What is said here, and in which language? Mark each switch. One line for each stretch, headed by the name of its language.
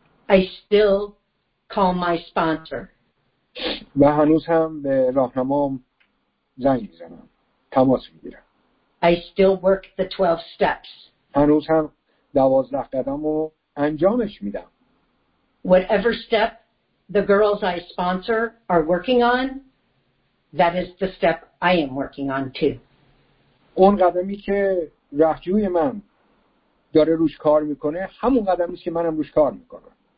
English: I still call my sponsor.
Persian: و هنوز هم به راهنمام زنگ میزنم، تماس میگیرم.
English: I still work the 12 steps.
Persian: هنوز هم دوازده قدم رو انجامش میدم.
English: Whatever step the girls I sponsor are working on, that is the step I am working on too.
Persian: اون قدمی که رهجوی من داره روش کار میکنه همون قدمی که منم روش کار میکنم.